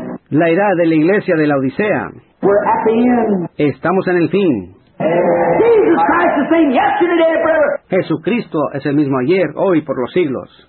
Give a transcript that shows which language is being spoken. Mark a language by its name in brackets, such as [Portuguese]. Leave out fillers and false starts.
[Spanish] La edad de la iglesia de la Odisea. [English] We're at the end. [Spanish] Estamos en el fin. [English] Jesus Christ is the same yesterday, brother. [Spanish] Jesucristo es el mismo ayer, hoy, por los siglos.